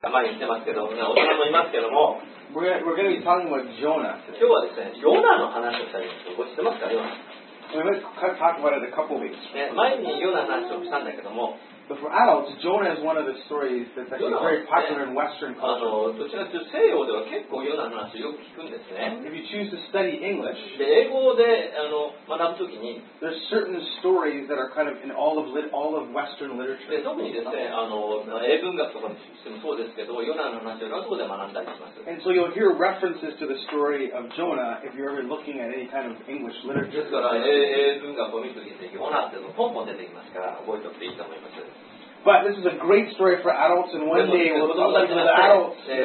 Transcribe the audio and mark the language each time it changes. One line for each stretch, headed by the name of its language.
Japanese: たまに言ってますけど、大人もいますけども、
English: we're going to be talking about Jonah today.
Japanese: 今日はですね、ヨナの話をしたいんですけど、知ってますか、ヨナ。
English: We might talk about it a couple of weeks.
Japanese: 前にヨナの話をしたんだけども、
English: But for adults, Jonah is one of the stories that's actually very popular in Western culture.
Japanese: どちらかというと西洋では結構ヨナの話をよく聞くんですね。
English: If you choose to study English,
Japanese: で英語で学ぶときに、
English: there's certain stories that are kind of in all of Western literature.
Japanese: で特にですね、英文学とかでもそうですけど、ヨナの話をラストで学んだりします。
English: And so you'll hear references to the story of Jonah if you're ever looking at any kind of English literature.
Japanese: ですから英文学を見るときにヨナっていうのポンポン出てきますから覚えておくといいと思います。
English: But this is a great story for adults, and one day we'll talk about the adults